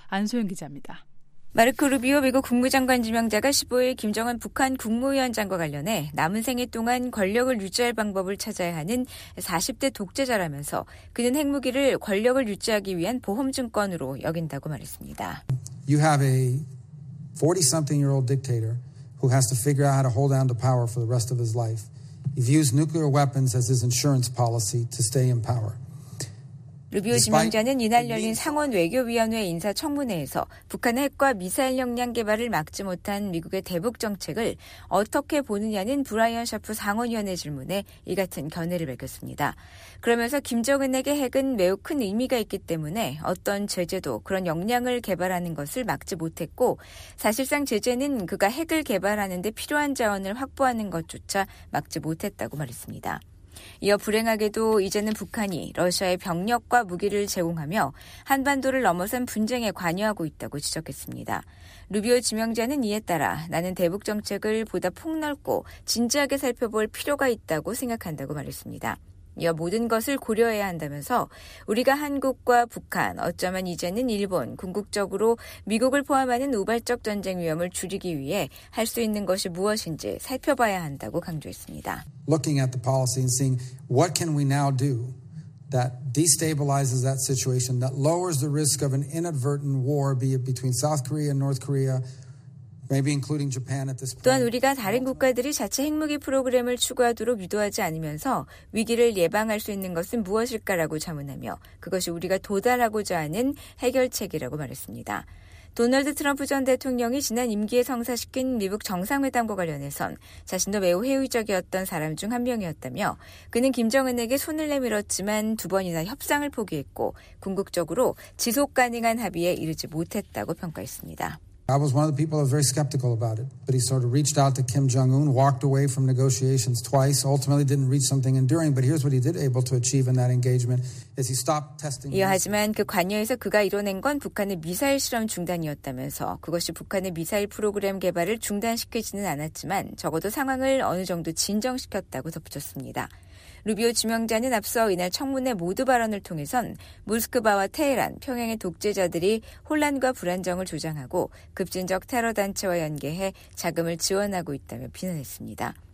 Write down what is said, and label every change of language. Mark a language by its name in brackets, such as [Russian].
[Korean] 안소영 기자입니다. 마르코 루비오 미국 국무장관 지명자가 15일 김정은 북한 국무위원장과 관련해 남은 생애 동안 권력을 유지할 방법을 찾아야 하는 40대 독재자라면서 그는 핵무기를 권력을 유지하기 위한 보험증권으로 여긴다고 말했습니다. [English] You have a 40-something-year-old dictator who has to figure out how to hold on to power for the rest of his life. He views nuclear weapons as his insurance policy to stay in power. [Korean] 루비오 지명자는 이날 열린 상원 외교위원회 인사 청문회에서 북한의 핵과 미사일 역량 개발을 막지 못한 미국의 대북 정책을 어떻게 보느냐는 브라이언 샤프 상원위원의 질문에 이 같은 견해를 밝혔습니다. 그러면서 김정은에게 핵은 매우 큰 의미가 있기 때문에 어떤 제재도 그런 역량을 개발하는 것을 막지 못했고 사실상 제재는 그가 핵을 개발하는 데 필요한 자원을 확보하는 것조차 막지 못했다고 말했습니다. 이어 불행하게도 이제는 북한이 러시아의 병력과 무기를 제공하며 한반도를 넘어선 분쟁에 관여하고 있다고 지적했습니다. 루비오 지명자는 이에 따라 나는 대북 정책을 보다 폭넓고 진지하게 살펴볼 필요가 있다고 생각한다고 말했습니다. 이어 모든 것을 고려해야 한다면서 우리가 한국과 북한, 어쩌면 이제는 일본, 궁극적으로 미국을 포함하는 우발적 전쟁 위험을 줄이기 위해 할 수 있는 것이 무엇인지 살펴봐야 한다고 강조했습니다. [English] Looking at the policy and seeing what can we now do that destabilizes that situation, that lowers the risk of an inadvertent war, be it between South Korea and North Korea, maybe including Japan at this point. [Korean] 또한 우리가 다른 국가들이 자체 핵무기 프로그램을 추구하도록 유도하지 않으면서 위기를 예방할 수 있는 것은 무엇일까라고 자문하며 그것이 우리가 도달하고자 하는 해결책이라고 말했습니다. 도널드 트럼프 전 대통령이 지난 임기에 성사시킨 미국 정상회담과 관련해선 자신도 매우 회의적이었던 사람 중 한 명이었다며 그는 김정은에게 손을 내밀었지만 두 번이나 협상을 포기했고 궁극적으로 지속 가능한 합의에 이르지 못했다고 평가했습니다. [English] I was one of the people who was very skeptical about it, but he sort of reached out to Kim Jong-un, walked away from negotiations twice, ultimately didn't reach something enduring, but here's what he did able to achieve in that engagement, is he stopped testing. [Korean] 이어 하지만 그 관여에서 그가 이뤄낸 건 북한의 미사일 실험 중단이었다면서 그것이 북한의 미사일 프로그램 개발을 중단시키지는 않았지만 적어도 상황을 어느 정도 진정시켰다고 덧붙였습니다. 루비오 지명자는 앞서 이날 청문회 모두 발언을 통해선 모스크바와 테헤란, 평양의 독재자들이 혼란과 불안정을 조장하고 급진적 테러 단체와 연계해 자금을 지원하고 있다며 비난했습니다.